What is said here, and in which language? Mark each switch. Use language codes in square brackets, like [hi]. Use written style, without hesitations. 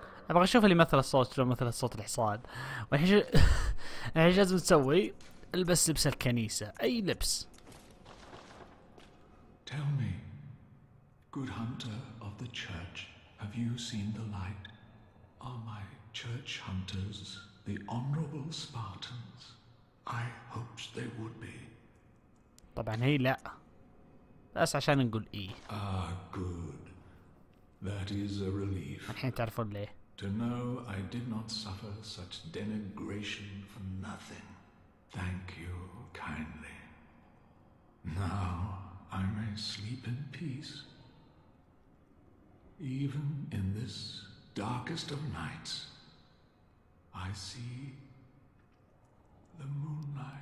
[ar] ابغى اشوف اللي مثل الصوت شلون مثل صوت الحصان. الحين لازم تسوي البس لبس الكنيسه اي لبس. [en] Tell me, good hunter of the church, have you seen the light? Are my church hunters the honorable Spartans? I hoped they would be. [ar] طبعا هي لا بس عشان نقول اي. [en] Ah, good. That is a relief. [ar] الحين تعرفون ليه. [en] To know I did not suffer such denigration for nothing. Thank you kindly. Now I may sleep in peace. Even in this darkest of nights, I see the moonlight.